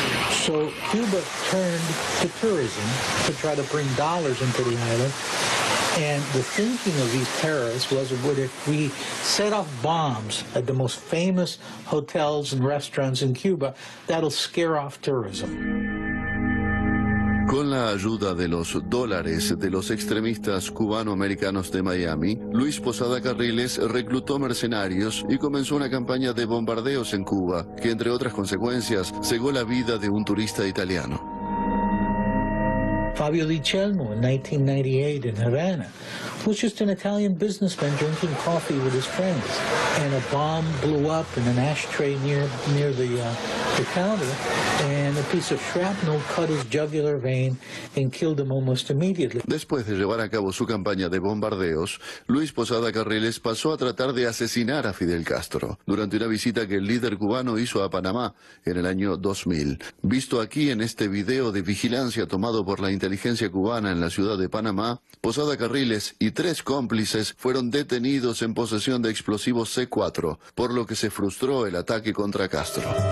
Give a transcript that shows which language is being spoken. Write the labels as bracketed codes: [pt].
[en] So Cuba turned to tourism to try to bring dollars into the island. And the thinking of these terrorists was, what if we set off bombs at the most famous hotels and restaurants in Cuba, that'll scare off tourism. [es] Con la ayuda de los dólares de los extremistas cubano-americanos de Miami, Luis Posada Carriles reclutó mercenarios y comenzó una campaña de bombardeos en Cuba, que entre otras consecuencias, cegó la vida de un turista italiano. [en] Fabio Di Chelmo in 1998 in Havana was just an Italian businessman drinking coffee with his friends, and a bomb blew up in an ashtray near the counter, and a piece of shrapnel cut his jugular vein and killed him almost immediately. [es] Después de llevar a cabo su campaña de bombardeos, Luis Posada Carriles pasó a tratar de asesinar a Fidel Castro durante una visita que el líder cubano hizo a Panamá en el año 2000. Visto aquí en este video de vigilancia tomado por la inteligencia cubana en la ciudad de Panamá, Posada Carriles y tres cómplices fueron detenidos en posesión de explosivos C4, por lo que se frustró el ataque contra Castro.